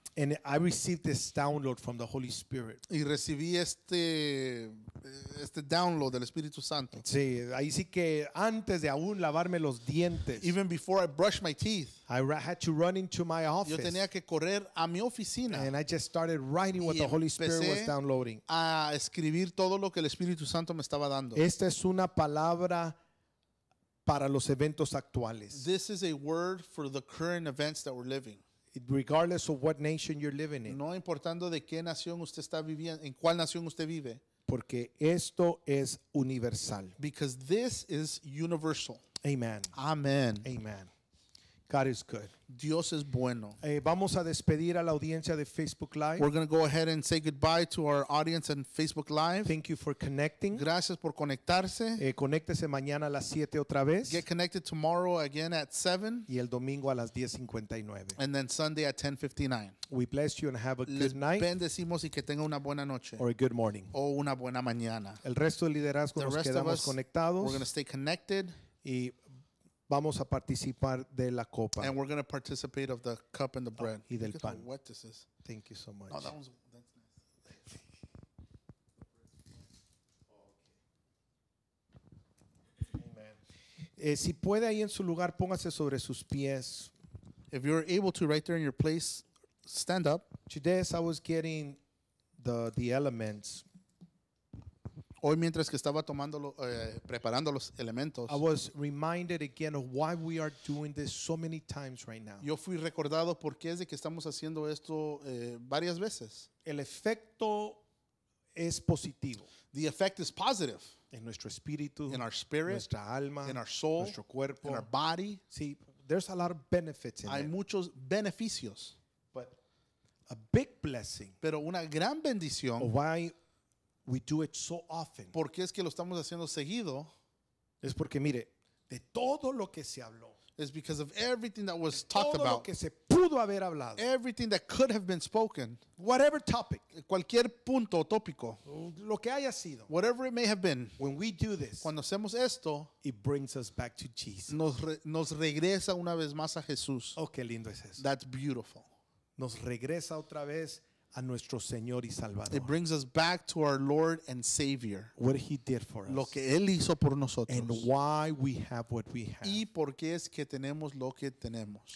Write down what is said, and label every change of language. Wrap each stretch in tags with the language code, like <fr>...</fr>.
<en>And I received this download from the Holy Spirit.</en> <es>Y recibí este download del Espíritu Santo. Sí, ahí sí que antes de aún lavarme los dientes.</es> <en>Even before I brushed my teeth. I had to run into my office.</en> <es>Yo tenía que correr a mi oficina.</es> <en>And I just started writing what the Holy Spirit was downloading.</en> <es>A escribir todo lo que el Espíritu Santo me estaba dando. Esta es una palabra para los eventos actuales.</es> <en>This is a word for the current events that we're living. Regardless of what nation you're living in.</en> <es>No importando de qué nación usted está viviendo, en cuál nación usted vive. Porque esto es universal.</es> <en>Because this is universal. Amen. Amen. Amen. God is good.</en> <es>Dios es bueno. Vamos a despedir a la audiencia de Facebook Live.</es> <en>We're going to go ahead and say goodbye to our audience on Facebook Live. Thank you for connecting.</en> <es>Gracias por conectarse. Conéctese mañana a las 7 otra vez.</es> <en>Get connected tomorrow again at 7.</en> <es>Y el domingo a las 10:59.</es> <en>And then Sunday at 10:59. We bless you and have a</en> <es>Les</es> <en>good night.</en> <es>Bendecimos y que tenga una buena noche.</es> <en>Or a good morning.</en> <es>O una buena mañana. El resto del liderazgo</es> <en>the</en> <es>nos</es> <en>rest</en> <es>quedamos</es> <en>us,</en> <es>conectados.</es> <en>We're going to stay connected.</en> <es>Y vamos a participar de la copa.</es> <en>And we're going to participate of the cup and the bread.</en> <es>Y del pan.</es> <en>Look how wet this is. Thank you so much. Oh, that's nice.</en> <es>Si puede ahí en su lugar, póngase sobre sus pies.</es> <en>If you're able to right there in your place, stand up. Today as I was getting the elements.</en> <es>Hoy mientras que estaba tomándolo, preparando los elementos,</es> <en>I was reminded again of why we are doing this so many times right now.</en> <es>Yo fui recordado por qué es de que estamos haciendo esto varias veces. El efecto es positivo.</es> <en>The effect is positive.</en> <es>En nuestro espíritu,</es> <en>in our spirit,</en> <es>nuestra alma,</es> <en>in our soul,</en> <es>nuestro cuerpo,</es> <en>in our body. Sí, there's a lot of benefits in</en> <es>hay</es> <en>it.</en> <es>Hay muchos beneficios.</es> <en>But a big blessing.</en> <es>Pero una gran bendición.</es> <en>Why we do it so often.</en> <es>¿Por qué es que lo estamos haciendo seguido? Es porque mire, de todo lo que se habló.</es> <en>It's because of everything that was talked about.</en> <es>Todo lo que se pudo haber hablado.</es> <en>Everything that could have been spoken. Whatever topic.</en> <es>Cualquier punto o tópico. Lo que haya sido.</es> <en>Whatever it may have been. When we do this.</en> <es>Cuando hacemos esto.</es> <en>It brings us back to Jesus.</en> <es>Nos regresa una vez más a Jesús. Oh, qué lindo es eso.</es> <en>That's beautiful.</en> <es>Nos regresa otra vez a nuestro Señor y Salvador.</es> <en>It brings us back to our Lord and Savior. What he did for us.</en> <es>Lo que él hizo por nosotros.</es> <en>And why we have what we have.</en> <es>Y por qué es que tenemos lo que tenemos.</es>